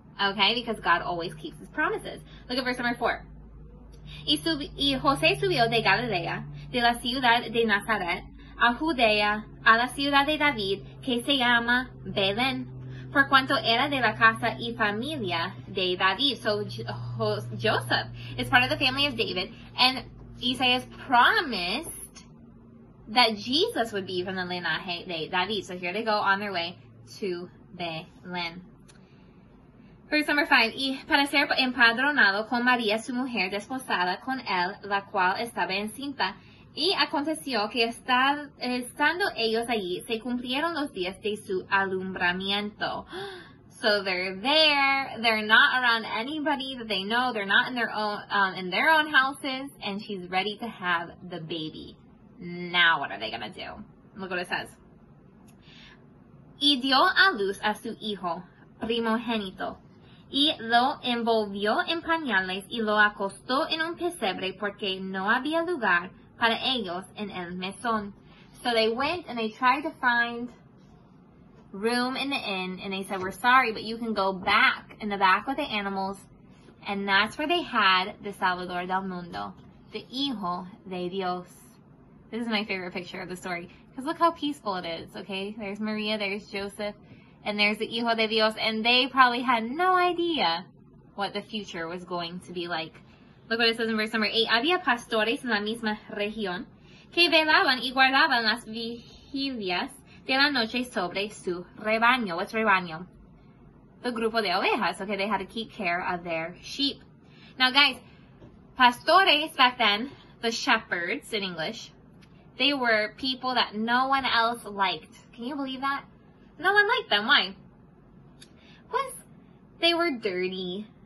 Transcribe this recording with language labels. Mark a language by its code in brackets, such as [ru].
[en] Okay, because God always keeps his promises. Look at verse number 4. [es] Y José subió de Galilea, de la ciudad de Nazaret, a Judea, a la ciudad de David, que se llama Belén, por cuanto era de la casa y familia de David. [en] So, Joseph is part of the family of David, and Isaías promised that Jesus would be from the [es] linaje de David. [en] So, here they go on their way to Belén. Verse number 5, [es] y para ser empadronado con María, su mujer, desposada con él, la cual estaba encinta. Y aconteció que estando ellos allí, se cumplieron los días de su alumbramiento. [en] So they're there, they're not around anybody that they know, they're not in their own houses, and she's ready to have the baby. Now what are they going to do? Look what it says. [es] Y dio a luz a su hijo primogénito. Y lo envolvió en pañales y lo acostó en un pesebre porque no había lugar para ellos en el mesón. [en] So they went and they tried to find room in the inn, and they said, we're sorry, but you can go back in the back with the animals. And that's where they had the [es] Salvador del Mundo, [en] the [es] Hijo de Dios. [en] This is my favorite picture of the story because look how peaceful it is, okay? There's Maria, there's Joseph. And there's the [es] Hijo de Dios, [en] and they probably had no idea what the future was going to be like. Look what it says in verse number 8. [es] Había pastores en la misma región que velaban y guardaban las vigilias de la noche sobre su rebaño. [en] What's rebaño? The [es] grupo de ovejas. [en] Okay, they had to keep care of their sheep. Now, guys, pastores back then, the shepherds in English, they were people that no one else liked. Can you believe that? No one liked them. Why? Because they were dirty.